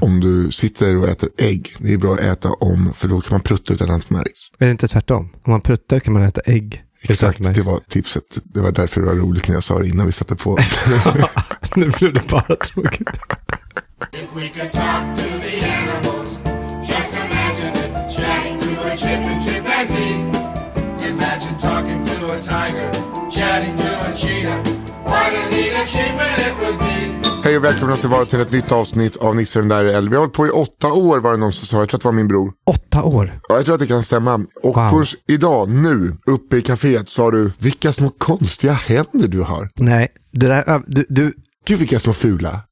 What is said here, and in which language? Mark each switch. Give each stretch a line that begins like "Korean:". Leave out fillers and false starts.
Swedish: om du sitter och äter ägg, det är bra att äta om, för då kan man prutta utan att märks. Är det inte tvärtom? Om man pruttar kan man äta ägg. Exakt, det var tipset. Det var därför det var roligt när jag sa det innan vi satte på. Nu blev det bara tråkigt.
English: If we could talk to the animals, just imagine it, chatting to a chimpanzee. Imagine talking to a tiger, chatting to a cheetah. What a neat achievement it would be.
Swedish: Hej och välkomna ska vara till ett nytt avsnitt av Nisse den där i Älv. Vi har hållit på i 8 år, var det någon som sa. Jag tror att det var min bror. 8 år? Ja, jag tror att det kan stämma. Och wow. Först idag, nu, uppe i kaféet, sa du, vilka små konstiga händer du har. Nej, det där, du... Gud, vilka små fula.